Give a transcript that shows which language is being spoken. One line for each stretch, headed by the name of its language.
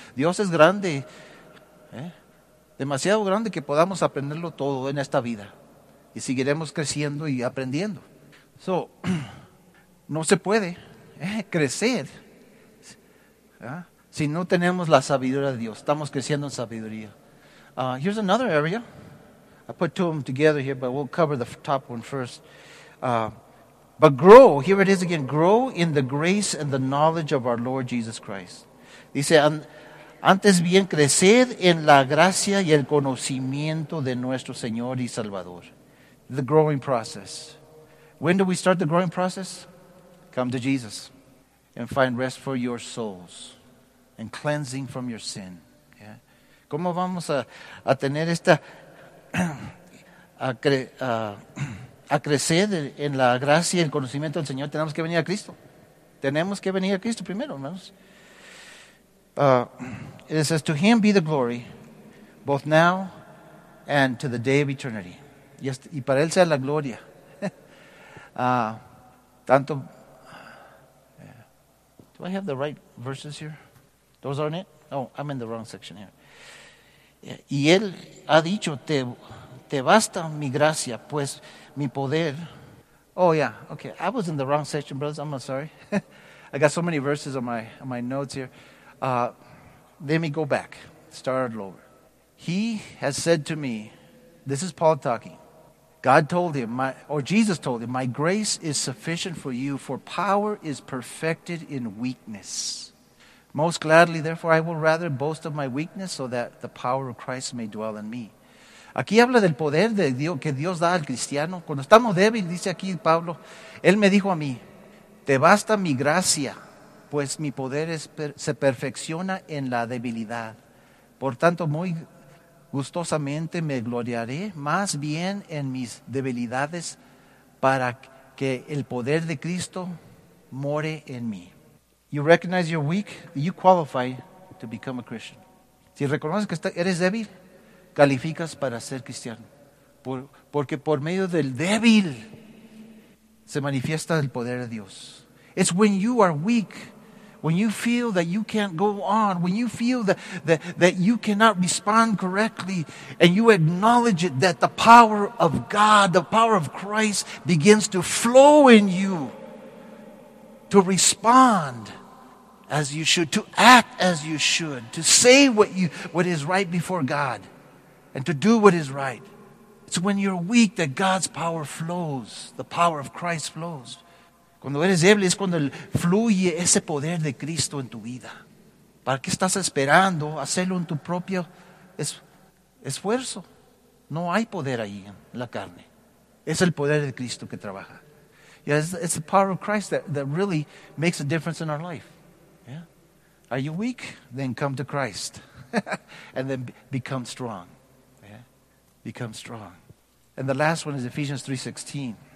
Spanish: Dios es grande, demasiado grande que podamos aprenderlo todo en esta vida. Y seguiremos creciendo y aprendiendo. So, no se puede crecer, ¿verdad? Si no tenemos la sabiduría de Dios, estamos creciendo en sabiduría.
English: Here's another area. I put two of them together here, but we'll cover the top one first. But grow, here it is again, grow in the grace and the knowledge of our Lord Jesus Christ.
Spanish: Dice, antes bien creced en la gracia y el conocimiento de nuestro Señor y Salvador.
English: The growing process. When do we start the growing process? Come to Jesus and find rest for your souls. And cleansing from your sin. Yeah.
Spanish: ¿Cómo vamos a tener esta a crecer en la gracia y el conocimiento del Señor? Tenemos que venir a Cristo. Tenemos que venir a Cristo primero, hermanos.
English: It says, to Him be the glory, both now and to the day of eternity.
Spanish: Y para Él sea la gloria. tanto.
English: Yeah. Do I have the right verses here? Those aren't it? Oh, I'm in the wrong section here.
Spanish: Y Él ha dicho, te basta mi gracia, pues mi poder.
English: Oh, yeah. Okay, I was in the wrong section, brothers. I'm sorry. I got so many verses on my notes here. Let me go back. Start over. He has said to me, this is Paul talking. God told him, Jesus told him, my grace is sufficient for you, for power is perfected in weakness. Most gladly, therefore, I will rather boast of my weakness so that the power of Christ may dwell in me.
Spanish: Aquí habla del poder de Dios, que Dios da al cristiano. Cuando estamos débiles, dice aquí Pablo, Él me dijo a mí, te basta mi gracia, pues mi poder se perfecciona en la debilidad. Por tanto, muy gustosamente me gloriaré más bien en mis debilidades para que el poder de Cristo more en mí.
English: You recognize you're weak, you qualify to become a Christian.
Spanish: Si reconoces que eres débil, calificas para ser cristiano. Porque por medio del débil se manifiesta el poder de Dios.
English: It's when you are weak, when you feel that you can't go on, when you feel that you cannot respond correctly, and you acknowledge it, that the power of God, the power of Christ begins to flow in you to respond as you should, to act as you should, to say what is right before God, and to do what is right. It's when you're weak that God's power flows, the power of Christ flows.
Spanish: Cuando eres débil es cuando fluye ese poder de Cristo en tu vida. ¿Para qué estás esperando hacerlo en tu propio esfuerzo? No hay poder ahí en la carne. Es el poder de Cristo que trabaja.
English: Yeah, it's the power of Christ that really makes a difference in our life. Yeah. Are you weak? Then come to Christ. And then become strong. Yeah. Become strong. And the last one is Ephesians 3:16.